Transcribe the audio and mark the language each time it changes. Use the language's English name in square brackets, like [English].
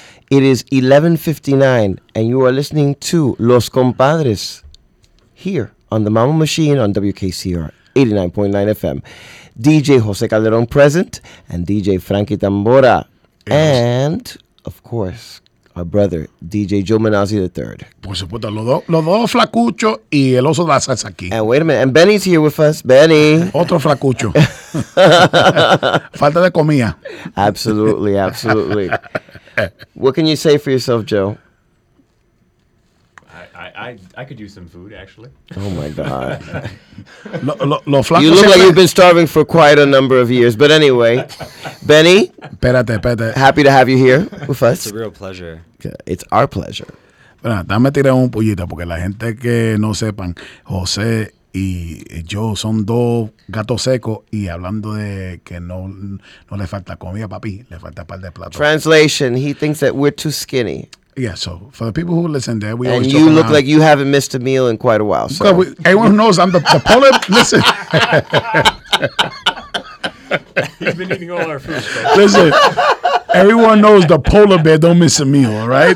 [English] It is 11:59, and you are listening to Los Compadres here on the Mambo Machine on WKCR 89.9 FM. DJ Jose Calderon present, and DJ Frankie Tambora, yes. And of course, our brother DJ Joe Manazzi III. [Spanish] Por supuesto, los dos flacuchos y el oso de la salsa aquí. [English] And wait a minute, and Benny's here with us. Benny. [Spanish] Otro flacucho. Falta de comida. [English] Absolutely, absolutely. What can you say for yourself, Joe? I could use some food, actually. Oh, my God. You look like you've been starving for quite a number of years. But anyway, Benny, [Spanish] espérate. [English] Happy to have you here with us. It's a real pleasure. It's our pleasure. [Spanish] Bueno, dame tirar un pollito, porque la gente que no sepan, José y yo son dos gatos secos, y hablando de que no le falta comida, papi, le falta par de platos. [English] Translation, he thinks that we're too skinny. Yeah, so for the people who listen there, we and always and you look like you haven't missed a meal in quite a while. So everyone knows I'm the polar. Listen. He's been eating all our food. Listen, everyone knows the polar bear don't miss a meal, all right?